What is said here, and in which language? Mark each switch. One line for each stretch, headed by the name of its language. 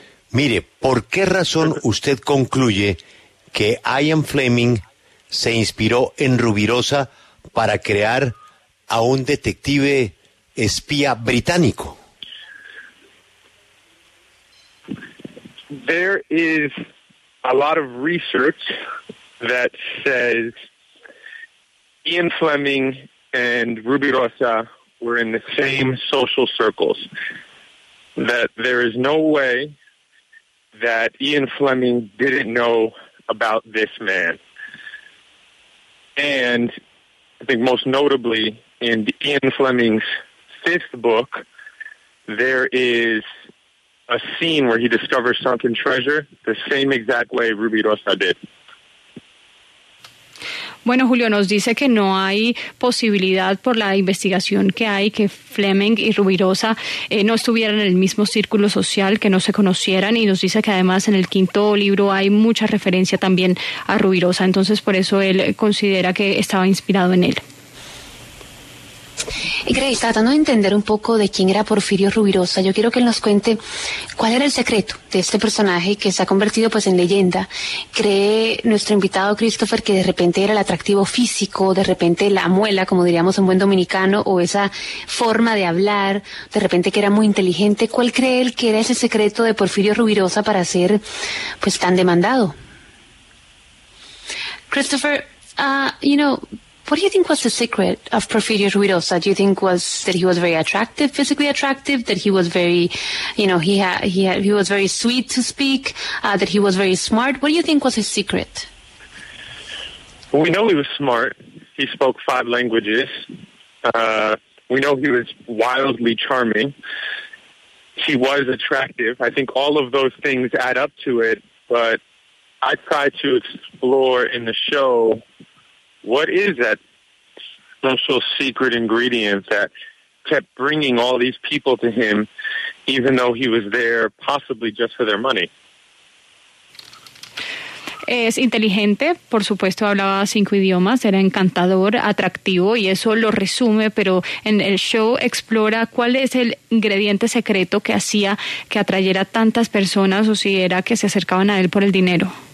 Spanish: Mire, ¿por qué razón usted concluye que Ian Fleming se inspiró en Rubirosa para crear a un detective espía británico?
English: There is a lot of research that says Ian Fleming and Rubirosa were in the same social circles. That there is no way that Ian Fleming didn't know about this man. And I think most notably in Ian Fleming's fifth book, there is a scene where he discovers sunken treasure the same exact way Rubirosa did.
Spanish: Bueno, Julio, nos dice que no hay posibilidad por la investigación que hay que Fleming y Rubirosa no estuvieran en el mismo círculo social, que no se conocieran, y nos dice que además en el quinto libro hay mucha referencia también a Rubirosa, entonces por eso él considera que estaba inspirado en él. Y Grace, tratando de entender un poco de quién era Porfirio Rubirosa, yo quiero que él nos cuente cuál era el secreto de este personaje que se ha convertido pues en leyenda. ¿Cree nuestro invitado Christopher que de repente era el atractivo físico, de repente la muela, como diríamos en buen dominicano, o esa forma de hablar, de repente que era muy inteligente? ¿Cuál cree él que era ese secreto de Porfirio Rubirosa para ser pues tan demandado?
English: Christopher, what do you think was the secret of Porfirio Rubirosa? Do you think was that he was very attractive, physically attractive, that he was very, you know, he was very sweet to speak, that he was very smart? What do you think was his secret? Well, we know he was smart. He spoke five languages. We know he was wildly charming. He was attractive. I think all of those things add up to it, but I try to explore in the show, what is that special secret ingredient that kept bringing all these people to him, even though he was there possibly just for their money?
Spanish: Es inteligente, por supuesto, hablaba cinco idiomas, era encantador, atractivo, y eso lo resume, pero en el show explora cuál es el ingrediente secreto que hacía que atrayera tantas personas, o si era que se acercaban a él por el dinero.